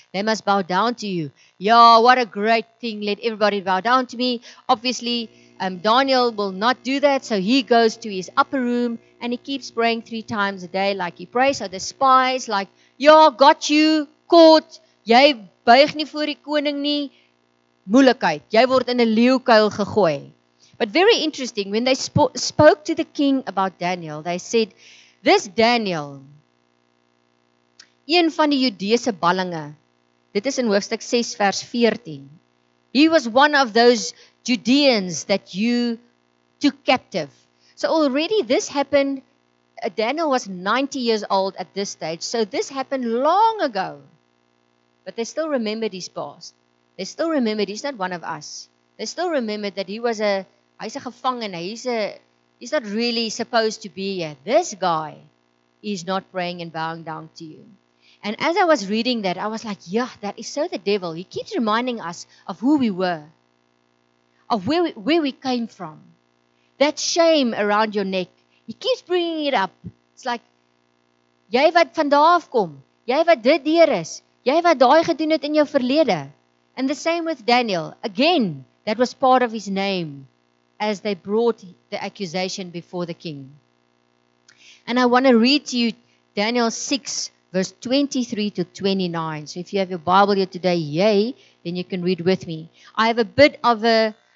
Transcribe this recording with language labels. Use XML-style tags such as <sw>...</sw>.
<en>They must bow down to you. Yeah, what a great thing. Let everybody bow down to me. Obviously, Daniel will not do that. So he goes to his upper room and he keeps praying 3 times a day like he prays. So the spies like, yeah, got you, caught.</en> <af>Jy buig nie voor die koning nie. Moeilikheid. Jy word in 'n leeukuil gegooi.</af> <en>But very interesting, when they spoke to the king about Daniel, they said, this Daniel,</en> <af>een van die Judese ballinge, dit is in hoofstuk 6 vers 14,</af> <en>he was one of those Judeans that you took captive. So already this happened, Daniel was 90 years old at this stage, so this happened long ago. But they still remembered his past. They still remembered he's not one of us. They still remembered that he was a</en> <af>hy's a gevangene,</af> <en>he's not really supposed to be here. This guy is not praying and bowing down to you. And as I was reading that, I was like, yeah, that is so the devil. He keeps reminding us of who we were, of where we came from. That shame around your neck, he keeps bringing it up. It's like,</en> <af>jy wat vandaar afkom, jy wat dit deur is, jy wat daai gedoen het in jou verlede.</af> <en>And the same with Daniel. Again, that was part of his name. As they brought the accusation before the king. And I want to read to you Daniel 6, verse 23 to 29. So if you have your Bible here today, yay, then you can read with me. I have a bit of a</en>